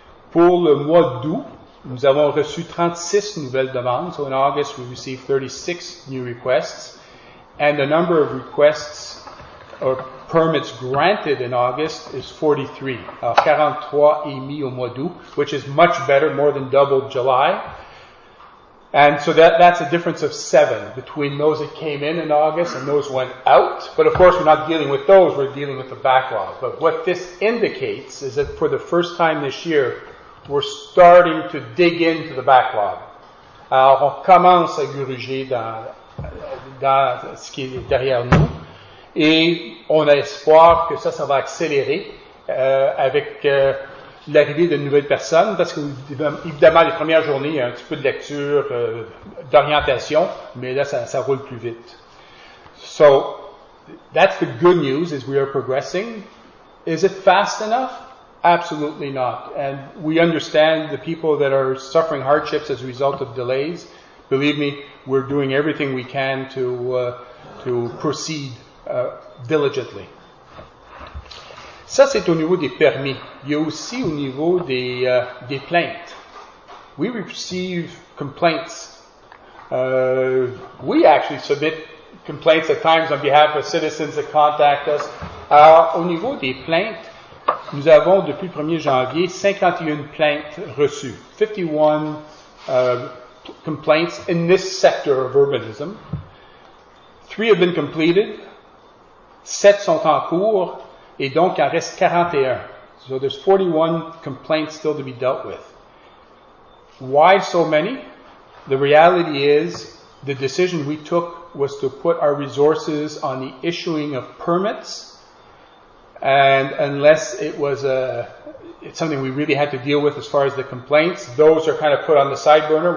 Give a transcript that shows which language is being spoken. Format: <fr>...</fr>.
<fr>Pour le mois d'août, nous avons reçu 36 nouvelles demandes.</fr> <en>So in August, we received 36 new requests. And the number of requests or permits granted in August is 43.</en> <fr>Alors, 43 émis au mois d'août,</fr> <en>which is much better, more than double July. And so that's a difference of 7 between those that came in August and those went out. But of course, we're not dealing with those, we're dealing with the backlog. But what this indicates is that for the first time this year, we're starting to dig into the backlog.</en> <fr>Alors, on commence à gruger dans ce qui est derrière nous. Et on a espoir que ça va accélérer avec l'arrivée de nouvelles personnes, parce que évidemment les premières journées, il y a un petit peu de lecture, d'orientation, mais là ça roule plus vite.</fr> <en>So that's the good news, is we are progressing. Is it fast enough? Absolutely not. And we understand the people that are suffering hardships as a result of delays. Believe me, we're doing everything we can to proceed. Diligently.</en> <fr>Ça, c'est au niveau des permis. Il y a aussi au niveau des plaintes.</fr> <en>We receive complaints. We actually submit complaints at times on behalf of citizens that contact us.</en> <fr>Au niveau des plaintes, nous avons depuis le 1er janvier 51 plaintes reçues.</fr> <en>51 complaints in this sector of urbanism. 3 have been completed.</en> <fr>7 sont en cours, et donc il en reste 41.</fr> <en>So there's 41 complaints still to be dealt with. Why so many? The reality is, the decision we took was to put our resources on the issuing of permits, and unless it was it's something we really had to deal with as far as the complaints, those are kind of put on the side burner.</en>